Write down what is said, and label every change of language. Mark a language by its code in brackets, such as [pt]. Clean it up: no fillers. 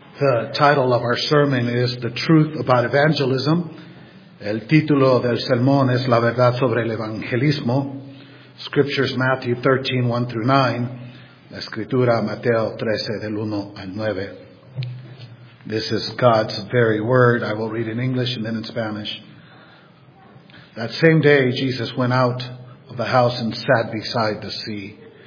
[en] The title of our sermon is The Truth About Evangelism. [es] El título del sermón es La Verdad Sobre el Evangelismo. [en] Scriptures Matthew 13, 1 through 9. [es] La Escritura Mateo 13, del 1 al 9. [en] This is God's very word. I will read in English and then in Spanish. That same day, Jesus went out of the house and sat beside the sea.